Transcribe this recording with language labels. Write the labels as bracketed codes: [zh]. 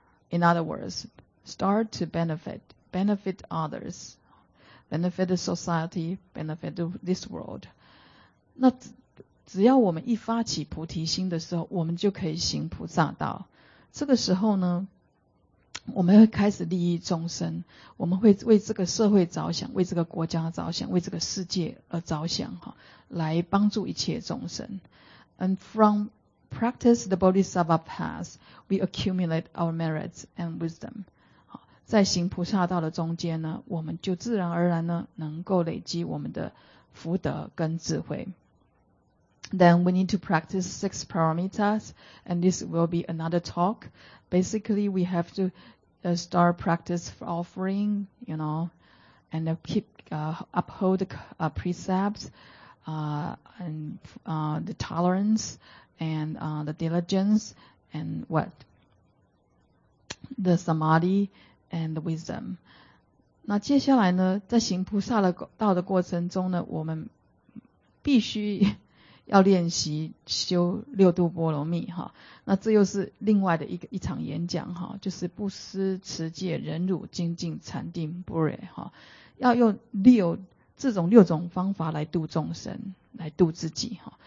[en] In other words, start to benefit others, benefit the society, benefit this world. [zh] 那 只要我们一发起菩提心的时候，我们就可以行菩萨道。这个时候呢，我们会开始利益众生，我们会为这个社会着想，为这个国家着想，为这个世界而着想，来帮助一切众生。 [en] And from practice the Bodhisattva path, we accumulate our merits and wisdom. [zh] 在行菩萨道的中间呢，我们就自然而然呢，能够累积我们的福德跟智慧。 [en] Then we need to practice six paramitas, and this will be another talk. Basically, we have to start practice for offering, you know, and keep, uphold precepts, the tolerance, and the diligence, and what? The samadhi and the wisdom. [zh] 那接下来呢，在行菩萨的道的过程中呢，我们必须要练习修六度波罗蜜，那这又是另外的 一场演讲，就是布施、持戒、忍辱、精进、禅定、般若，要用这种六种方法来度众生，来度自己。